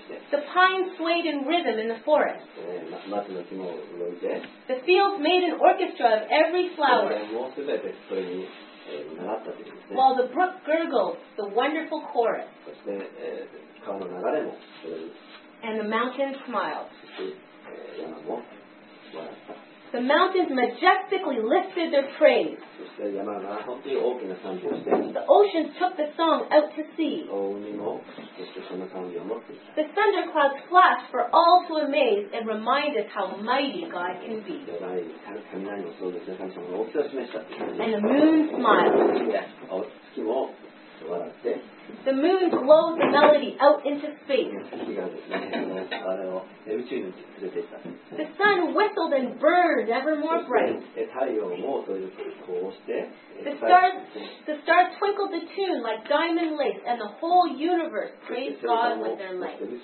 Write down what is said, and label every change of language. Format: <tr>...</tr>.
<en>The pines swayed in rhythm in the forest. The fields made an orchestra of every flower. ね、 While the brook gurgled the wonderful chorus,</en> <ja>そして、川の流れも、</ja> <en>and the mountains smiled.</en> <ja>そして、山も笑った。</ja> <en>The mountains majestically lifted their praise.</en> <ja>そして山が本当に大きな賛美をして。</ja> <en>The oceans took the song out to sea.</en> <ja>海もそしてその賛美を持って。</ja> <en>The thunder clouds flashed for all to amaze and remind us how mighty God can be.</en> <ja>雷もそうですね。神様の大きさを示した。</ja> <en>And the moon smiled.</en> <ja>月も笑って。</ja> <en>The moon glowed the melody out into space.</en> <ja>月がですね、あれを宇宙に連れて行った。</ja> <en>The sun whistled and burned ever more bright.</en> <ja>太陽もそういうふうにこうして。</ja> <en>The stars twinkled the tune like diamond lace, and the whole universe praised God with their light.</en>